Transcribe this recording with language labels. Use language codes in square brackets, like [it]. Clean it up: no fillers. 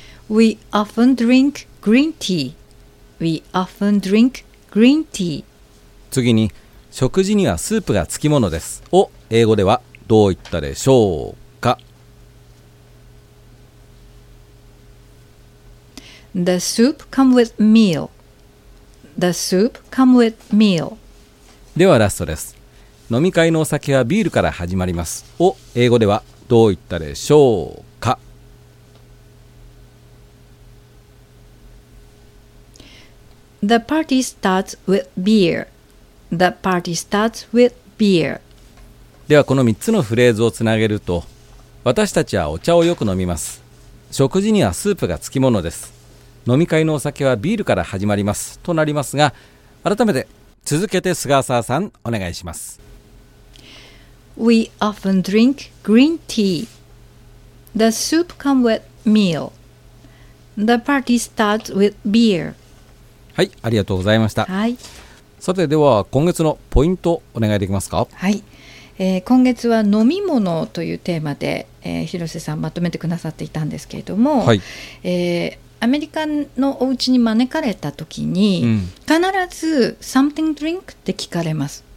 [en] We often drink green tea. We often drink green tea. [ja] 次に、食事にはスープがつきものです。を英語ではどう言ったでしょうか？ [en] The soup comes with meal. The soup comes with meal. [ja] ではラストです。飲み会のお酒はビールから始まります。を英語ではどう言ったでしょうか？ [en] The party starts with beer. The party starts with beer. [ja] ではこの3つのフレーズをつなげると、私たちはお茶をよく飲みます、食事にはスープがつきものです、飲み会のお酒はビールから始まりますとなりますが、改めて続けて菅沢さんお願いします。 [en] We often drink green tea. The soup comes with meal. The party starts with beer. [ja] はい、ありがとうございました、はい、さてでは今月のポイントお願いできますか？はい、今月は飲み物というテーマで、広瀬さんまとめてくださっていたんですけれども、はい、アメリカのお家に招かれた時に、うん、必ず [en] something drink [ja] って聞かれます。